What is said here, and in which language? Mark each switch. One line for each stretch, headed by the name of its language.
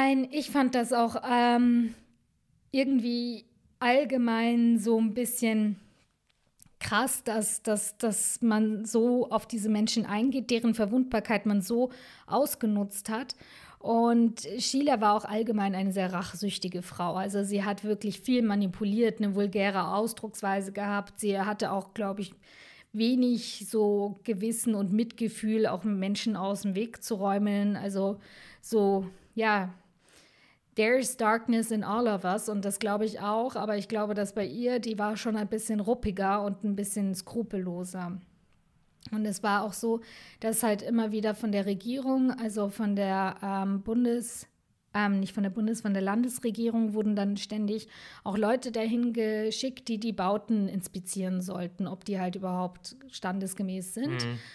German: Ich fand das auch irgendwie allgemein so ein bisschen krass, dass man so auf diese Menschen eingeht, deren Verwundbarkeit man so ausgenutzt hat. Und Sheila war auch allgemein eine sehr rachsüchtige Frau. Also sie hat wirklich viel manipuliert, eine vulgäre Ausdrucksweise gehabt. Sie hatte auch, glaube ich, wenig so Gewissen und Mitgefühl, auch Menschen aus dem Weg zu räumen.
English: Also so, ja, there is darkness in all of us.
German: Und das glaube ich auch. Aber ich glaube, dass bei ihr, die war schon ein bisschen ruppiger und ein bisschen skrupelloser. Und es war auch so, dass halt immer wieder von der Regierung, also von der von der Landesregierung, wurden dann ständig auch Leute dahin geschickt, die Bauten inspizieren sollten, ob die halt überhaupt standesgemäß sind.